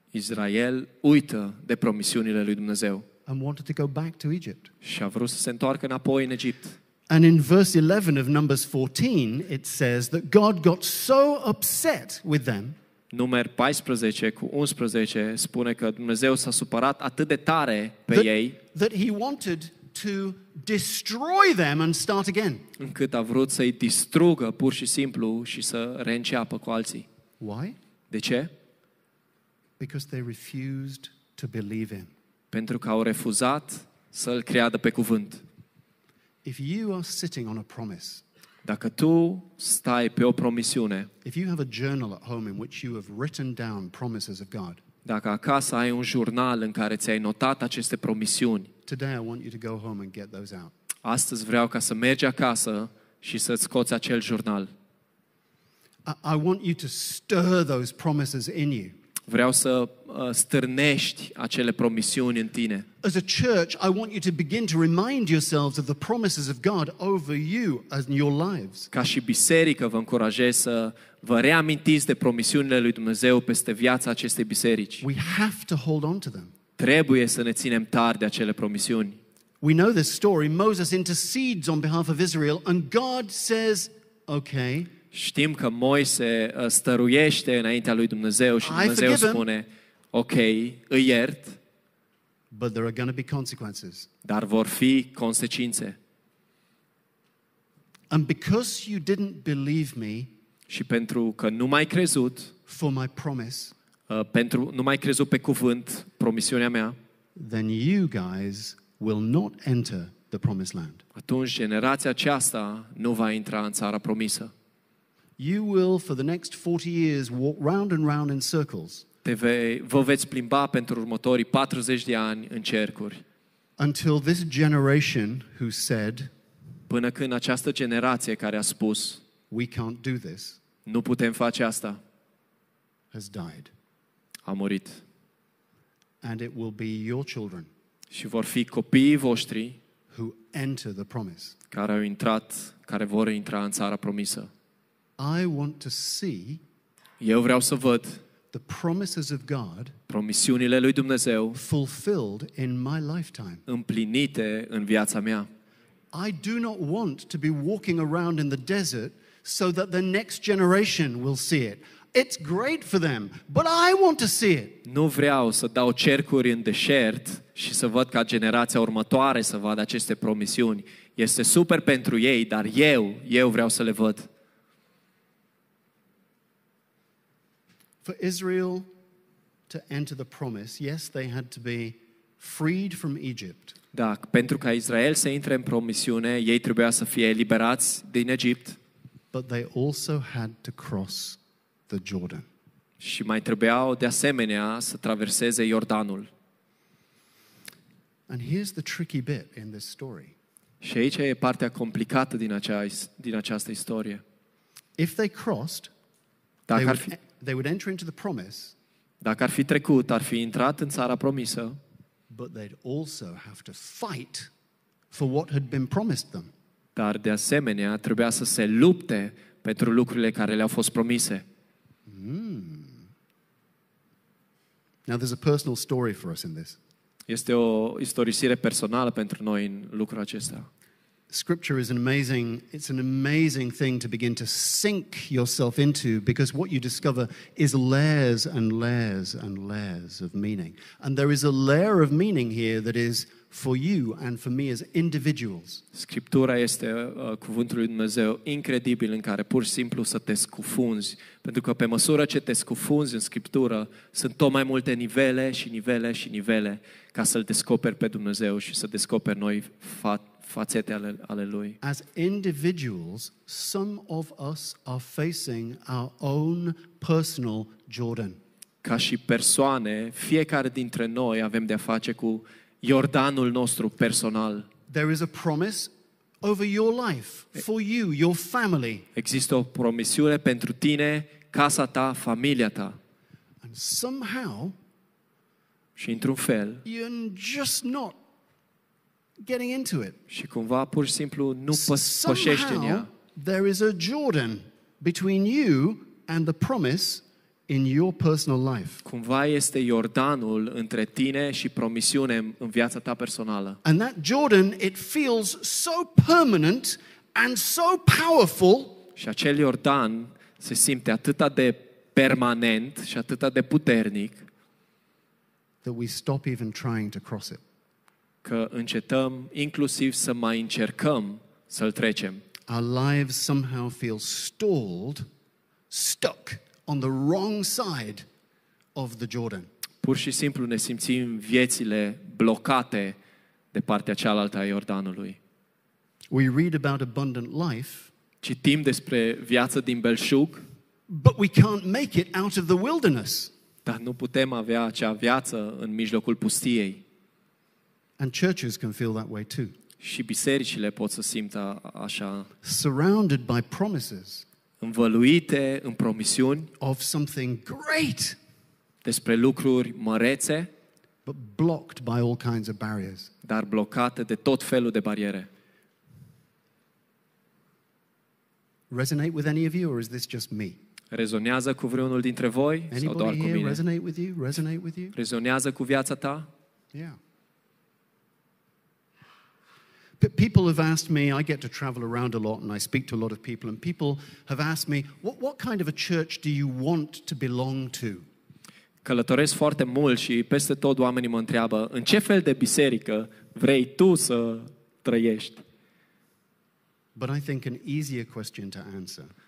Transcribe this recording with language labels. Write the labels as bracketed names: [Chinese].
[Romanian] Israel uită de promisiunile lui Dumnezeu. [English] And wanted to go back to Egypt. [Romanian] Și a vrut să se întoarcă înapoi în Egipt. [English] And in verse 11 of Numbers 14, it says that God got so upset with them. [Romanian] Numeri 14 cu 11 spune că Dumnezeu s-a supărat atât de tare pe ei. [English] That he wanted to destroy them and start again. [Romanian] Încât a vrut să-i distrugă pur și simplu și să reînceapă cu alții. [English] Why? [Romanian] De ce? [English] Because they refused to believe him. [Romanian] Pentru că au refuzat să-l creadă pe cuvânt. [English] If you are sitting on a promise. [Romanian] Dacă tu stai pe o promisiune. [English] If you have a journal at home in which you have written down promises of God. [Romanian] Dacă acasă ai un jurnal în care ți-ai notat aceste promisiuni. [English] Today I want you to go home and get those out. [Romanian] Astăzi vreau ca să mergi acasă și să scoți acel jurnal. [English] I want you to stir those promises in you. [Romanian] Vreau să stârnești acele promisiuni în tine. [English] As a church, I want you to begin to remind yourselves of the promises of God over you as in your lives. [Romanian] Ca și biserică vă încurajez să vă reamintiți de promisiunile lui Dumnezeu peste viața acestei biserici. [English] We have to hold on to them. [Romanian] Trebuie să ne ținem tari de acele promisiuni. [English] We know this story. Moses intercedes on behalf of Israel and God says, okay. [Romanian] Știm că Moise stăruiește înaintea lui Dumnezeu și Dumnezeu spune, ok, îi iert, [English] but there are going to be consequences. [Romanian] Dar vor fi consecințe. [English] And because you didn't believe me, [Romanian] și pentru că nu m-ai crezut, [English] for my promise, [Romanian] pentru nu m-ai crezut pe cuvânt, promisiunea mea, [English] then you guys will not enter the promised land. [Romanian] Atunci generația aceasta nu va intra în țara promisă. [English] You will for the next 40 years walk round and round in circles. [Romanian] Vă veți plimba pentru următorii 40 de ani în cercuri. [English] Until this generation who said, [Romanian] până când această generație care a spus, [English] we can't do this, [Romanian] nu putem face asta, [English] has died. [Romanian] A murit. [English] And it will be your children. [Romanian] Și vor fi copiii voștri [English] who enter the promise. [Romanian] Care au intrat, care vor intra în țara promisă. [English] I want to see, [Romanian] eu vreau să văd, [English] the promises of God, [Romanian] promisiunile lui Dumnezeu, [English] fulfilled in my lifetime, [Romanian] împlinite în viața mea. [English] I do not want to be walking around in the desert so that the next generation will see it. It's great for them, but I want to see it. [Romanian] Nu vreau să dau cercuri în deșert și să văd ca generația următoare să vadă aceste promisiuni. Este super pentru ei, dar eu vreau să le văd. [English] For Israel to enter the promise, yes, they had to be freed from Egypt. [Romanian] Da, pentru ca Israel să intre în promisiune, ei trebuia să fie eliberați din Egipt. [English] But they also had to cross the Jordan. [Romanian] Și mai trebuiau de asemenea să traverseze Iordanul. [English] And here's the tricky bit in this story. [Romanian] Și aici e partea complicată din această istorie. [English] If they crossed, they would enter into the promise. [Romanian] Dacă ar fi trecut, ar fi intrat în țara promisă. [English] But they'd also have to fight for what had been promised them. [Romanian] Dar de asemenea, trebuia să se lupte pentru lucrurile care le-au fost promise. [English] Now there's a personal story for us in this. [Romanian] Este o istorisire personală pentru noi în lucrul acesta. [English] Scripture is an amazing thing to begin to sink yourself into, because what you discover is layers and layers and layers of meaning. And there is a layer of meaning here that is for you and for me as individuals. [Romanian] Scriptura este cuvântul lui Dumnezeu incredibil în care pur și simplu să te scufunzi, pentru că pe măsură ce te scufunzi în Scriptură, sunt tot mai multe nivele și nivele și nivele ca să-L descoperi pe Dumnezeu și să descoperi noi fațete ale Lui. [English] As individuals, some of us are facing our own personal Jordan. [Romanian] Ca și persoane, fiecare dintre noi avem de-a face cu Iordanul nostru personal. [English] There is a promise over your life, for you, your family. [Romanian] Există o promisiune pentru tine, casa ta, familia ta. [English] And somehow, [Romanian] și într-un fel, [English] you're just not getting into it. [Romanian] Și cumva pur și simplu nu pășești în ea. [English] There is a Jordan between you and the promise in your personal life. [Romanian] Cumva este Iordanul între tine și promisiunea în viața ta personală. [English] And that Jordan, it feels so permanent and so powerful. [Romanian] Și acel Iordan se simte atât de permanent și atât de puternic [English] that we stop even trying to cross it. [Romanian] Că încetăm inclusiv să mai încercăm să-l trecem. [English] Our lives somehow feel stalled, stuck on the wrong side of the Jordan. [Romanian] Pur și simplu ne simțim viețile blocate de partea cealaltă a Iordanului. [English] We read about abundant life, [Romanian] citim despre viață din belșug, [English] but we can't make it out of the wilderness. [Romanian] Dar nu putem avea acea viață în mijlocul pustiei. [English] And churches can feel that way too. [Romanian] Și bisericile pot să simtă așa. [English] Surrounded by promises, [Romanian] învăluite în promisiuni [English] of something great, [Romanian] despre lucruri mărețe, [English] but blocked by all kinds of barriers. [Romanian] Dar blocată de tot felul de bariere. [English] Resonate with any of you, or is this just me? [Romanian] Rezonează cu vreunul dintre voi sau doar cu mine? [English] Resonate with you? Resonate with you? [Romanian] Rezonează cu viața ta? [English] Yeah. People have asked me, I get to travel around a lot and I speak to a lot of people, and people have asked me, what kind of a church do you want to belong to? [Romanian] Călătoresc foarte mult și peste tot oamenii mă întreabă, în ce fel de biserică vrei tu să trăiești? [English] But I think an easier question to answer.